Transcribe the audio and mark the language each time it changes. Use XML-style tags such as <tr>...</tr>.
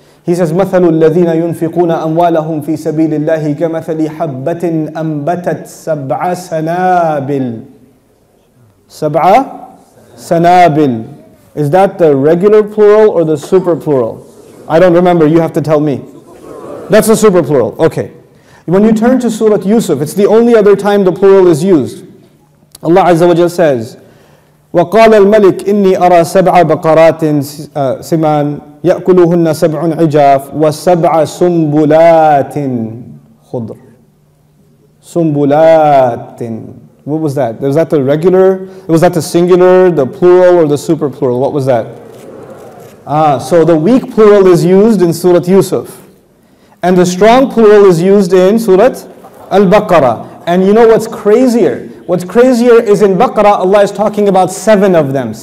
<en>He says,</en> <ar>مَثَلُ الَّذِينَ يُنْفِقُونَ أَمْوَالَهُمْ فِي سَبِيلِ اللَّهِ كَمَثَلِ حَبَّةٍ أَنْبَتَتْ سَبْعَ سَنَابِلْ. سَبْعَ سَنَابِلْ.</ar> <en>Is that the regular plural or the super plural? I don't remember, you have to tell me. That's a super plural, okay. When you turn to Surah Yusuf, it's the only other time the plural is used.</en> <ar>Allah Azza wa Jalla says, وَقَالَ الْمَلِكُ إِنِّي أَرَى سَبْعَ بَقَرَاتٍ سِمَانٍ يَأْكُلُهُنَّ سَبْعٌ عِجَافٍ وَسَبْعَ سُنْبُلَاتٍ خُضْرٍ.</ar> <en>سُنْبُلَاتٍ. What was that? Was that the regular? Was that the singular, the plural, or the super plural? What was that? So the weak plural is used in Surah Yusuf. And the strong plural is used in Surah Al-Baqarah. And you know what's crazier? What's crazier is in Baqarah, Allah is talking about seven of them.</en>